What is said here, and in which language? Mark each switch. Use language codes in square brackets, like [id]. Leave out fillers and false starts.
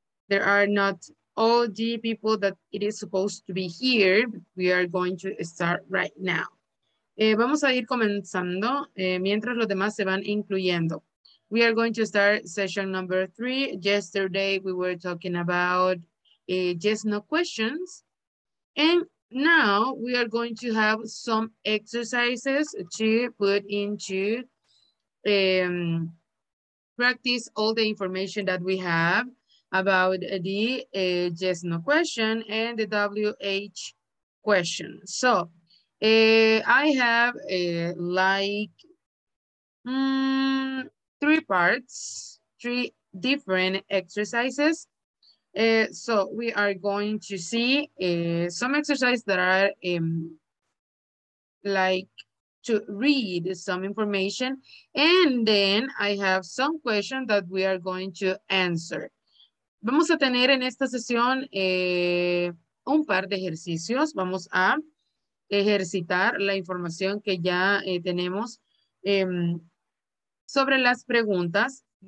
[en] There are not all the people that it is supposed to be here. We are going to start right now. [es] Vamos a ir comenzando mientras los demás se van incluyendo. [en] We are going to start session number 3. Yesterday we were talking about yes, no questions. And now we are going to have some exercises to put into practice all the information that we have about the yes, no question and the WH question. So I have like three parts, three different exercises. So we are going to see some exercises that are like to read some information. And then I have some questions that we are going to answer. [es] Vamos a tener en esta sesión un par de ejercicios. Vamos a ejercitar la información que ya tenemos sobre las preguntas.